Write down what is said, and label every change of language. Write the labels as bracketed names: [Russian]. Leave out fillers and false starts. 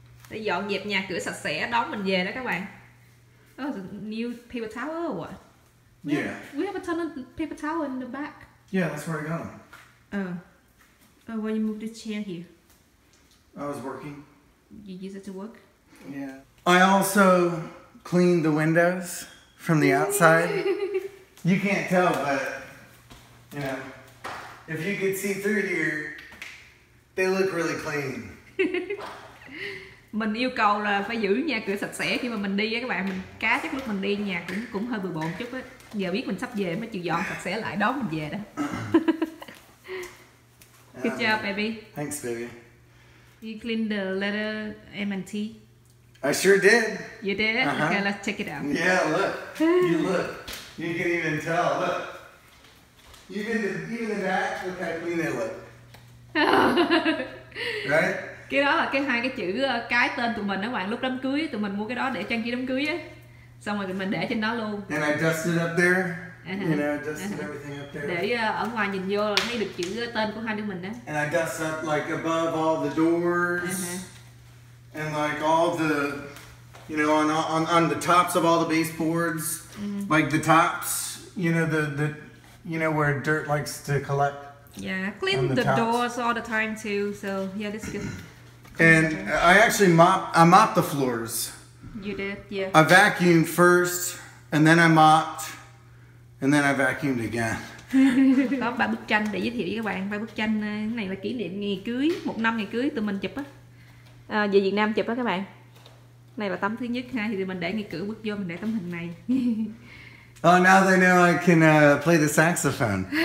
[Vietnamese] Để dọn dẹp nhà cửa sạch sẽ đón mình về đó các bạn. [English] Oh, the new paper towel or what? Yeah. We have a ton of paper towel in the back. Yeah, that's where I got them. Oh, why you moved the chair here? I was working. You use it to work? Yeah. I also cleaned the windows from the outside. You can't tell, but, you know, if you could see through here, they look really clean. [Vietnamese] Mình yêu cầu là phải giữ nhà cửa sạch sẽ khi mà mình đi á các bạn. Mình cá chắc lúc mình đi nhà cũng hơi bừa bộn chút á. Giờ biết mình sắp về mới chịu dọn sạch sẽ lại đón mình về đó. [English] Good job baby. Thanks baby. You cleaned the letter M&T? I sure did. You did? Uh-huh. Okay, let's check it out. Yeah, look. You can even tell, look. Even the back, look how clean they look. Right? [Vietnamese] Cái đó là cái hai cái chữ cái tên tụi mình đó bạn, lúc đám cưới tụi mình mua cái đó để trang trí đám cưới á. Xong rồi mình để trên đó luôn. [English] And I dusted up there. You know, dusted everything up there. [Vietnamese] Để ở ngoài nhìn vô là thấy được chữ tên của hai đứa mình đó. [English] And I dusted up like above all the doors. And like all the, you know, on the tops of all the baseboards. Mm-hmm. Like the tops, you know, the you know where dirt likes to collect. Yeah, clean the doors all the time too. So yeah, this is good. And I actually mopped the floors. You did, yeah. I vacuumed first, and then I mopped, and then I vacuumed again. [Vietnamese] Có ba bức tranh để giới thiệu với các bạn. Ba bức tranh này là kỷ niệm ngày cưới, một năm ngày cưới tụi mình chụp á, về Việt Nam chụp á các bạn. Này là tấm thứ nhất ha, thì mình để ngay cửa bước vô mình để tấm hình này. [English] Oh, now they know I can play the saxophone.